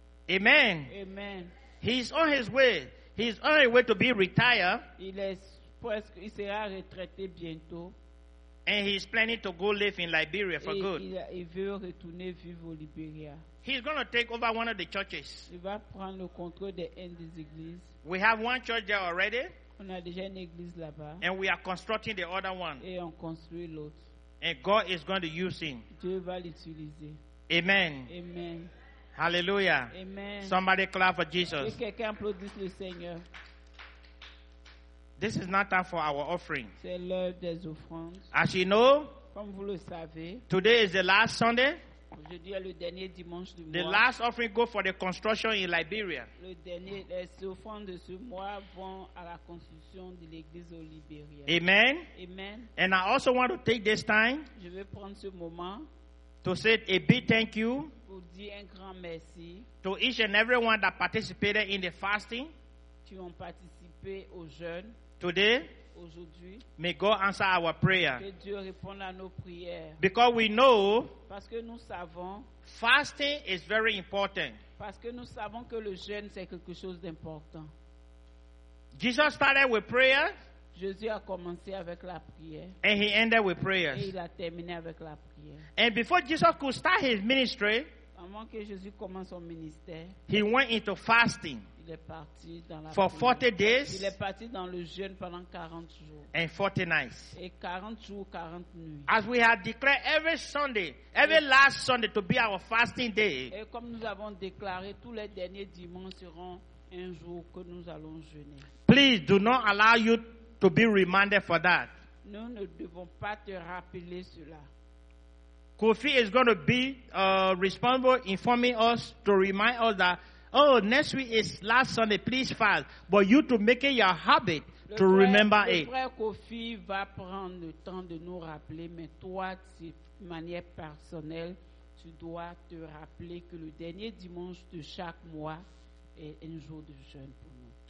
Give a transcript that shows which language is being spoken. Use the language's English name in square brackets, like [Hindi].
[English] Amen. Amen. He's on his way. He's on his way to be retired. [French] Il sera retraité bientôt. [English] And he's planning to go live in Liberia for good. [French] Il veut retourner vivre au Liberia. [English] He's going to take over one of the churches. [French] Il va prendre le contrôle de une des églises. [English] We have one church there already. [French] On a déjà une église là-bas. [English] And we are constructing the other one. [French] Et on construit l'autre. [English] And God is going to use him. [French] Dieu va l'utiliser. [English] Amen. [French] Amen. [English] Hallelujah. Amen. Somebody clap for Jesus. [French] Et quelqu'un applaudisse le Seigneur. [English] This is not time for our offering. [French] C'est l'heure des offrandes. [English] As you know, [French] comme vous le savez, [English] today is the last Sunday. [French] Aujourd'hui est le dernier dimanche du mois. [English] The last offering goes for the construction in Liberia. [French] Le dernier, les offrandes de ce mois vont à la construction de l'église au Liberia. [English] Amen. [French] Amen. [English] And I also want to take this time. [French] Je vais prendre ce moment. [English] To say a big thank you. [French] Pour dire un grand merci. [English] To each and everyone that participated in the fasting. [French] Qui ont participé au jeûne. [English] Today. [French] aujourd'hui. [English] May God answer our prayer. [French] Que Dieu réponde à nos prières. [English] Because we know, [French] parce que nous savons, [English] fasting is very important. [French] Parce que nous savons que le jeûne c'est quelque chose d'important. [English] Jesus started with prayer. [French] Jésus a commencé avec la prière. [English] And he ended with prayers. [French] Et il a terminé avec la prière. [English] And before Jesus could start his ministry, [French] avant que Jésus commence son ministère, [English] he went into fasting. [French] Il est parti dans la [English] prière. For 40 days. [French] Il est parti dans le jeûne pendant 40 jours. [English] And 40 nights. [French] Et 40 jours, 40 nuits. [English] As we had declared every Sunday, every last Sunday to be our fasting day. [French] Et comme nous avons déclaré, tous les derniers dimanches seront un jour que nous allons jeûner. [English] Please do not allow you to be reminded for that. [French] Nous ne devons pas te rappeler cela. [English] Kofi is going to be responsible informing us to remind us that, oh, next week is last Sunday, please fast. But you to make it your habit to remember it. [French] Le frère Kofi va prendre le temps de nous rappeler, mais toi, de manière personnelle, tu dois te rappeler que le dernier dimanche de chaque mois est un jour de jeûne pour nous.